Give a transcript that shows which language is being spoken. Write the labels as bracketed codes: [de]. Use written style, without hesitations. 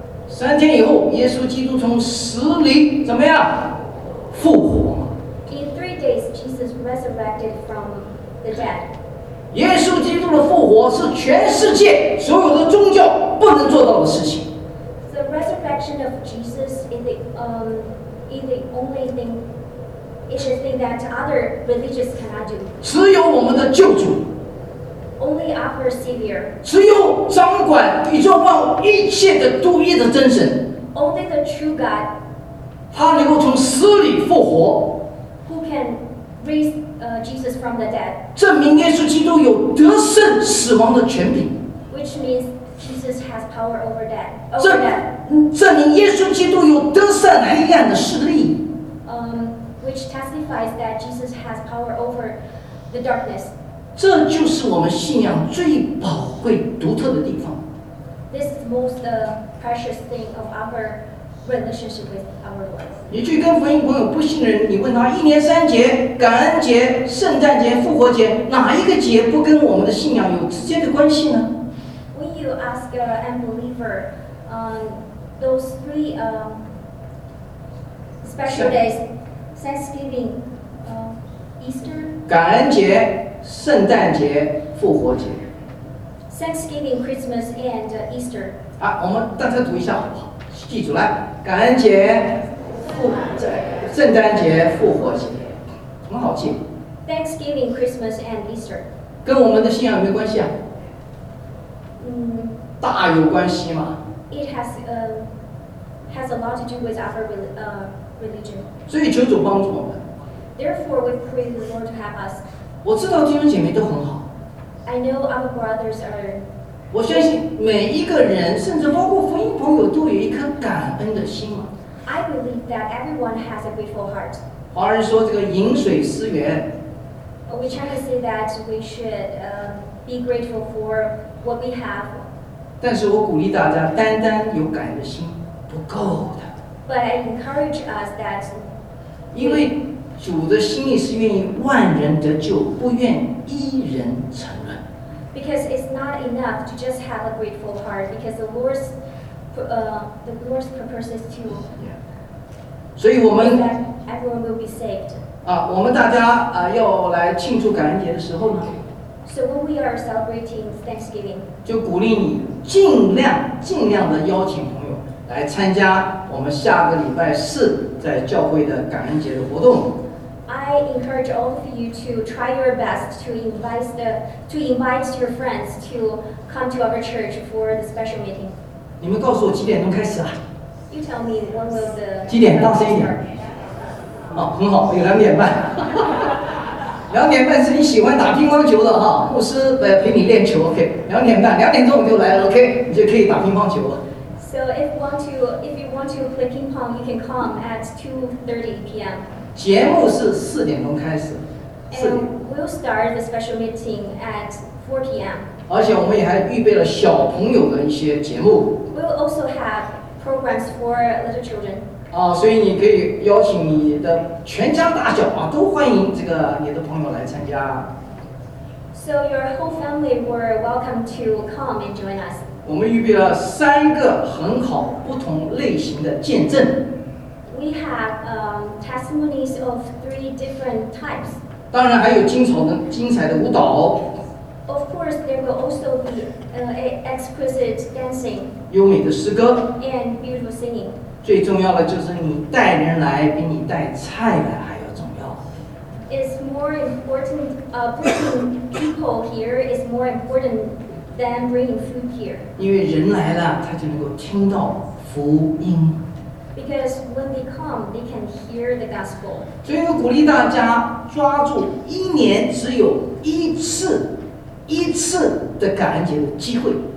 [zh] 三天以后，耶稣基督从死里怎么样复活？ [en] In 3 days, Jesus resurrected from the dead. [zh] 耶稣基督的复活是全世界所有的宗教不能做到的事情。 [en] The resurrection of Jesus is the only thing, is the thing that other religions cannot do. [zh] 只有我们的救主。 [en] Only our Savior. [zh] 只有掌管宇宙万物一切的独一的真神。 [en] Only the true God. [zh] 他能够从死里复活。 [en] Who can raise Jesus from the dead? [zh] 证明耶稣基督有得胜死亡的权柄。 [en] Which means Jesus has power over death. [zh] 证明耶稣基督有得胜黑暗的势力。 [en] Which testifies that Jesus has power over the darkness. [zh] 这就是我们信仰最宝贵独特的地方。 [en] This is most precious thing of our relationship with our Lord. [zh] 你去跟福音朋友不信的人，你问他一年三节，感恩节、圣诞节、复活节，哪一个节不跟我们的信仰有直接的关系呢？ [en] When you ask an unbeliever. Those three special days, Thanksgiving, Easter, [zh] 感恩节、圣诞节、复活节。 [en] Thanksgiving, Christmas, and Easter. [zh] 啊，我们大家读一下好不好？记住了，感恩节、圣诞节、复活节，什么好记 [en] ？Thanksgiving, Christmas, and Easter. [zh] 跟我们的信仰没关系啊？大有关系嘛。 [en] It has a lot to do with our religion. [zh] 所以求主帮助我们。 [en] Therefore, we pray the Lord to help us. [zh] 我知道弟兄姐妹都很好。 [en] I know our brothers are. [zh] 我相信每一个人，甚至包括福音朋友，都有一颗感恩的心嘛。 [en] I believe that everyone has a grateful heart. [zh] 华人说这个饮水思源。 [en] We try to say that we should be grateful for what we have. [zh] 但是我鼓励大家，单单有感恩的心不够的。 [en] But I encourage us that, [zh] 因为主的心意是愿意万人得救，不愿一人沉沦。 [en] Because it's not enough to just have a grateful heart, because the Lord's purpose is to. [zh] Yeah. 所以我们 [en] that everyone will be saved. [zh] 啊，我们大家啊要来庆祝感恩节的时候呢。 [en] So when we are celebrating Thanksgiving, [zh] 就鼓励你尽量的邀请朋友来参加我们下个礼拜四在教会的感恩节的活动。 [en] I encourage all of you to try your best to invite your friends to come to our church for the special meeting. [zh] 你们告诉我几点钟开始啊 [en] ？You tell me when will the [zh] 几点？大声一点。哦，很好，有两点半。 2:30是你喜欢打乒乓球的哈，牧师陪你练球 ，OK。 2:30、2:00我就来了 ，OK。你就可以打乒乓球了。 [en] So if you want to play ping pong, you can come at 2:30 PM. [zh] 节目是4:00开始。 [en] And we'll start the special meeting at 4 PM. [zh] 而且我们也还预备了小朋友的一些节目。 [en] We'll also have programs for little children. [zh] 啊，所以你可以邀请你的全家大小啊，都欢迎这个你的朋友来参加。 [en] So your whole family were welcome to come and join us. [zh] 我们预备了三个很好不同类型的见证。 [en] We have testimonies of three different types. [zh] 当然还有精彩的舞蹈。 [en] Of course, there will also be exquisite dancing. [zh] 优美的诗歌。 [en] And beautiful singing. [zh] 最重要的就是你带人来比你带菜来还要重要。 [en] It's more important, bringing people here is more important than bringing food here. [zh] 因为人来了，他就能够听到福音。 [en] Because when they come, they can hear the gospel. [zh] 所以我鼓励大家抓住一年只有一次的感恩节的机会。